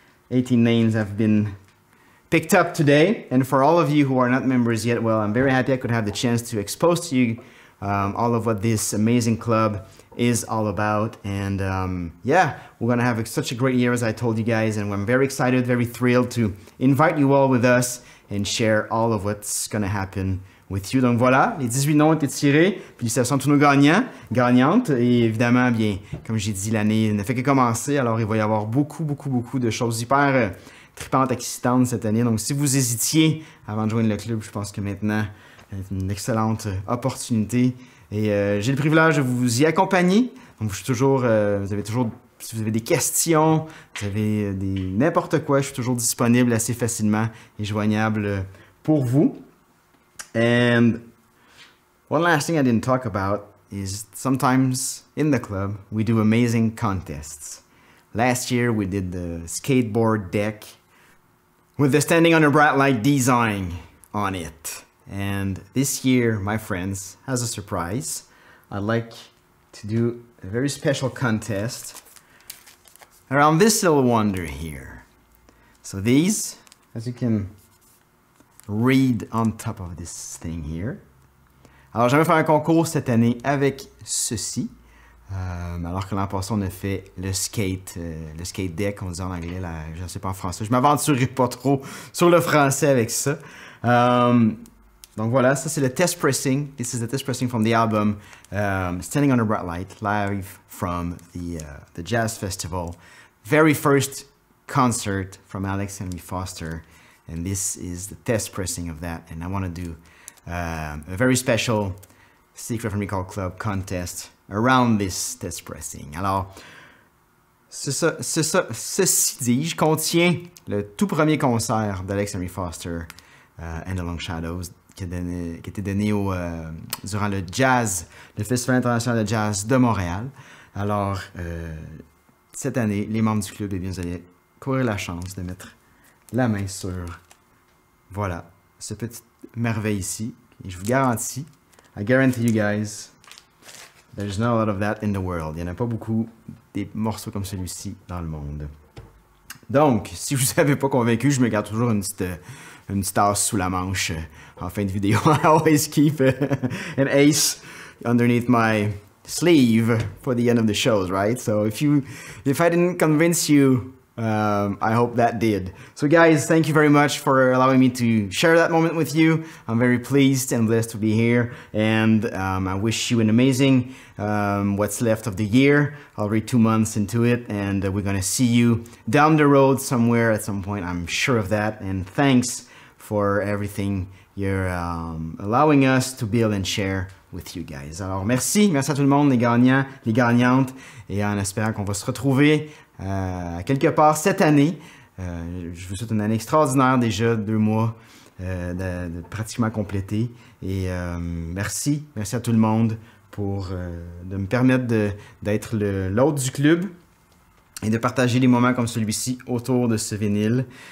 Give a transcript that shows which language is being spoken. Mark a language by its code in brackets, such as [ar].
[en] 18 names have been picked up today. And for all of you who are not members yet, well, I'm very happy I could have the chance to expose to you all of what this amazing club is all about. And yeah, we're gonna have such a great year, as I told you guys. And I'm very excited, very thrilled to invite you all with us and share all of what's gonna happen with you. [fr] Donc voilà, les 18 noms ont été tirés, puis ce sont tous nos gagnants, gagnantes, et évidemment, bien, comme j'ai dit, l'année ne fait que commencer, alors il va y avoir beaucoup, beaucoup, beaucoup de choses hyper trippantes, excitantes cette année. Donc si vous hésitiez avant de joindre le club, je pense que maintenant, c'est une excellente opportunité, et j'ai le privilège de vous y accompagner. Donc je suis toujours, vous avez toujours, si vous avez des questions, vous avez des n'importe quoi, je suis toujours disponible assez facilement et joignable pour vous. [en] And one last thing I didn't talk about is sometimes in the club, we do amazing contests. Last year, we did the skateboard deck with the standing under bright light design on it. And this year, my friends, as a surprise, I'd like to do a very special contest around this little wonder here. So these, as you can read on top of this thing here. [fr] Alors, j'aimerais faire un concours cette année avec ceci. Alors que l'an passé, on a fait le skate deck, on dit en anglais, là, je ne sais pas en français. Je ne m'aventurerai pas trop sur le français avec ça. Donc voilà, ça c'est le test pressing. [en] This is the test pressing from the album Standing Under Bright Light, live from the Jazz Festival. Very first concert from Alex and me Foster. And this is the test pressing of that. And I want to do a very special Secret from Recall Club contest around this test pressing. Alors, [fr] Ceci dis-je contient le tout premier concert d'Alex Henry Foster, And the Long Shadows, qui était donné au, durant le jazz, le Festival international de jazz de Montréal. Alors, cette année, les membres du club, eh bien, vous allez courir la chance de mettre la main sur, voilà, ce petit merveille ici. Et je vous garantis, [en] I guarantee you guys, there's not a lot of that in the world. [fr] Il n'y en a pas beaucoup des morceaux comme celui-ci dans le monde. Donc, si vous n'avez pas convaincu, je me garde toujours une petite as sous la manche en fin de vidéo. [en] I always keep an ace underneath my sleeve for the end of the shows, right? So if I didn't convince you, I hope that did. So guys, thank you very much for allowing me to share that moment with you. I'm very pleased and blessed to be here, and I wish you an amazing what's left of the year. Already 2 months into it, and we're gonna see you down the road somewhere at some point, I'm sure of that. And thanks for everything you're allowing us to build and share with you guys. [fr] Alors merci, merci à tout le monde, les gagnants, les gagnantes, et en espérant qu'on va se retrouver quelque part cette année. Je vous souhaite une année extraordinaire, déjà 2 mois de pratiquement complété. Et merci, merci à tout le monde pour de me permettre d'être l'hôte du club et de partager des moments comme celui-ci autour de ce vinyle.